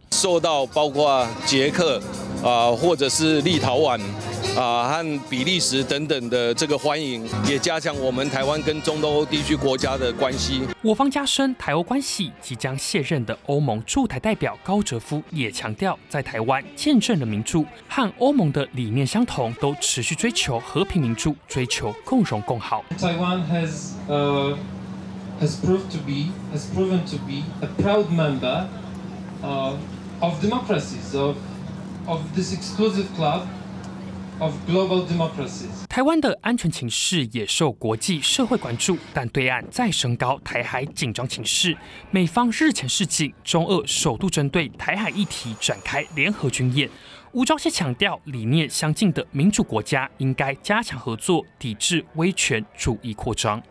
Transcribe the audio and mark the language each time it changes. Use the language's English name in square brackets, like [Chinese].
[Chinese] 受到包括捷克、或者是立陶宛、和比利时等等的这个欢迎，也加强我们台湾跟中东欧地区国家的关系。我方加深台欧关系，即将卸任的欧盟驻台代表高哲夫也强调，在台湾见证了民主，和欧盟的理念相同，都持续追求和平民主，追求共荣共好。 [English] Taiwan has proven to be a proud member of democracies of this exclusive club of global democracies。 [Chinese] 台湾的安全情势也受国际社会关注，但对岸再升高台海紧张情势，美方日前示警，中俄首度针对台海议题展开联合军演。吴钊燮强调，理念相近的民主国家应该加强合作，抵制威权主义扩张。